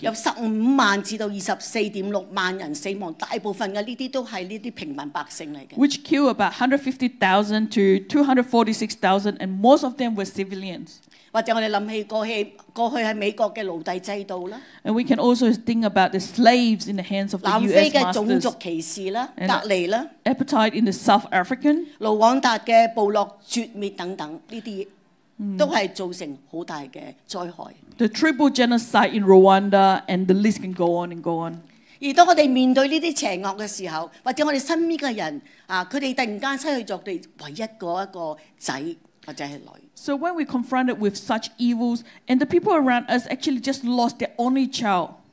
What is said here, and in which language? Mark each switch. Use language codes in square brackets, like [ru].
[yue] 有150,000至到246,000人死亡，大部分嘅呢啲都係呢啲平民百姓嚟嘅。 [en] Which killed about 150,000 to 246,000, and most of them were civilians. [yue] 或者我哋諗起過去係美國嘅奴隸制度啦。 [en] And we can also think about the slaves in the hands of the US masters. [yue] 南非嘅種族歧視啦，隔離啦。 [en] Apartheid in the South African. [yue] 盧旺達嘅部落絕滅等等，呢啲都係造成好大嘅災害。 [en] The triple genocide in Rwanda, and the list can go on and go on. [yue] 而當我哋面對呢啲邪惡嘅時候，或者我哋身邊嘅人啊，佢哋突然間失去咗我哋唯一嗰一個仔。 [en] So when we're confronted with such evils, and the people around us actually just lost their only child.